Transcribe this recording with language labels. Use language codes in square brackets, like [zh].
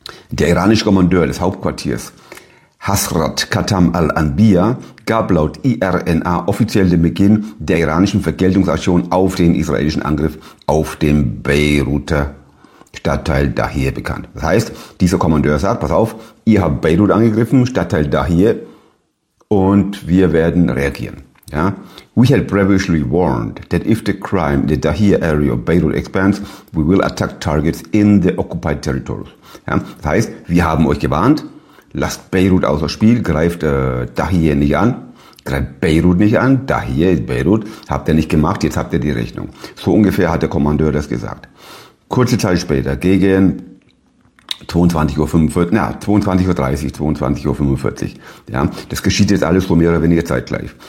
[de] Der iranische Kommandeur des Hauptquartiers Hasrat Khatam al-Anbiya gab laut IRNA offiziell den Beginn der iranischen Vergeltungsaktion auf den israelischen Angriff auf dem Beiruter Stadtteil Dahir bekannt. Das heißt, dieser Kommandeur sagt, pass auf, ihr habt Beirut angegriffen, Stadtteil Dahir, und wir werden reagieren. Ja? [en] We had previously warned that if the crime in the Dahir area of Beirut expands, we will attack targets in the occupied territories. [de] Ja? Das heißt, wir haben euch gewarnt, lasst Beirut außer Spiel, greift Dahir nicht an, greift Beirut nicht an, Dahir ist Beirut, habt ihr nicht gemacht, jetzt habt ihr die Rechnung. So ungefähr hat der Kommandeur das gesagt. Kurze Zeit später, gegen 22.45 Uhr, ja, das geschieht jetzt alles so mehr oder weniger zeitgleich.